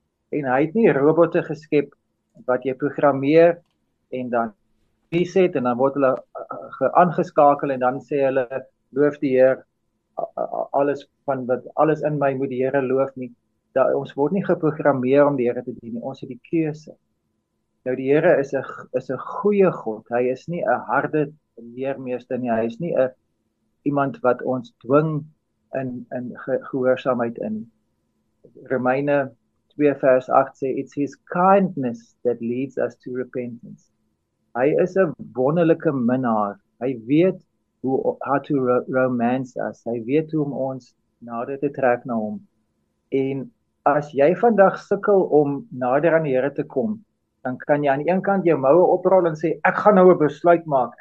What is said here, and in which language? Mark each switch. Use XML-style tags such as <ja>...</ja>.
<af>En hy het nie robotte geskep wat jy programmeer en dan reset en dan word hulle aangeskakel en dan sê hulle loof die Heer, alles van wat alles in my moet die Here loof nie. Dat ons word nie geprogrammeer om die Here te dien nie. Ons het die keuse. Nou die Here is 'n goeie God. Hy is nie 'n harde leermeester nie. Hy is nie 'n iemand wat ons dwing in gehoorsaamheid in. Romeine 2 vers 8 sê</af> <en>it's his kindness that leads us to repentance.</en> <af>Hy is 'n wonderlike minnaar. Hy weet hoe</af> <en>how to romance us.</en> <af>Hy weet hoe om ons nader te trek na hom. En as jy vandag sukkel om nader aan die Here te kom, dan kan jy aan een kant jou moue oprol en sê ek gaan nou 'n besluit maak.</af>